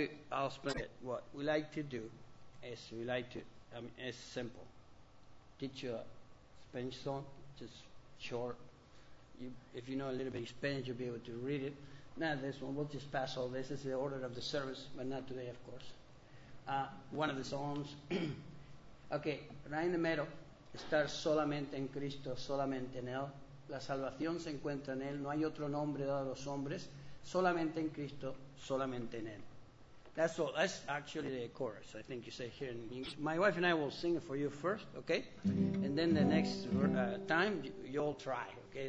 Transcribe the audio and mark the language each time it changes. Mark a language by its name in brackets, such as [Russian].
[English] I'll explain it. What we like to do is it's simple. Teach you a Spanish song, just short. If you know a little bit of Spanish, you'll be able to read it. Now this one, we'll just pass all this. This is the order of the service, but not today, of course. One of the songs. Okay, right in the middle. [Spanish] Estar solamente en Cristo, solamente en Él. La salvación se encuentra en Él. No hay otro nombre dado a los hombres. Solamente en Cristo, solamente en Él. [English] That's all. That's actually the chorus, I think you say here in English. My wife and I will sing it for you first, okay? And then the next time, you'll try, okay?